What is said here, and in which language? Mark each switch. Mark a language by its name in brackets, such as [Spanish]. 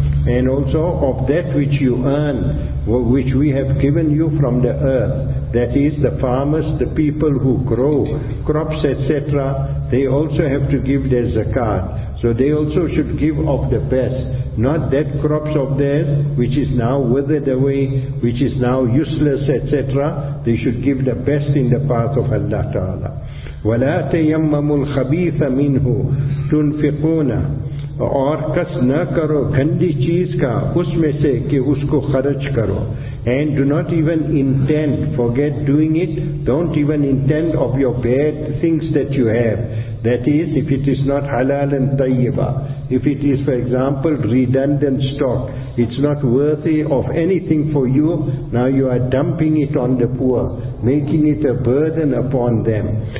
[English] And also of that which you earn, which we have given you from the earth, that is the farmers, the people who grow crops, etc., they also have to give their zakat. So they also should give of the best, not that crops of theirs which is now withered away, which is now useless, etc. They should give the best in the path of Allah Ta'ala. [Arabic] وَلَا تَيَمَّمُ الْخَبِيثَ مِنْهُ تُنْفِقُونَ. [Urdu] اور کس نہ کرو گندی چیز کا اس میں سے کہ اس کو خرچ کرو. [English] And do not even intend, forget doing it, don't even intend of your bad things that you have. That is, if it is not halal and tayyiba, if it is, for example, redundant stock, it's not worthy of anything for you, now you are dumping it on the poor, making it a burden upon them.